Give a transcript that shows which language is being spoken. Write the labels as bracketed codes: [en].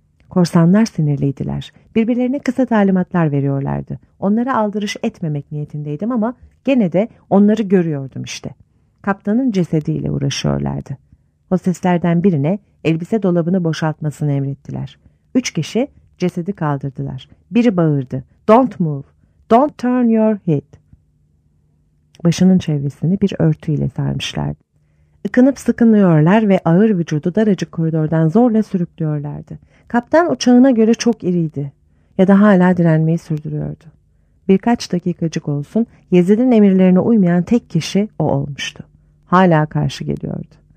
[tr] Korsanlar sinirliydiler. Birbirlerine kısa talimatlar veriyorlardı. Onlara aldırış etmemek niyetindeydim ama gene de onları görüyordum işte. Kaptanın cesediyle uğraşıyorlardı. Hosteslerden birine elbise dolabını boşaltmasını emrettiler. 3 kişi cesedi kaldırdılar. Biri bağırdı. [en] Don't move, don't turn your head. [tr] Başının çevresini bir örtüyle sarmışlardı. Ikınıp sıkınıyorlar ve ağır vücudu daracık koridordan zorla sürüklüyorlardı. Kaptan uçağına göre çok iriydi ya da hala direnmeyi sürdürüyordu. Birkaç dakikacık olsun Yezid'in emirlerine uymayan tek kişi o olmuştu. Hala karşı geliyordu.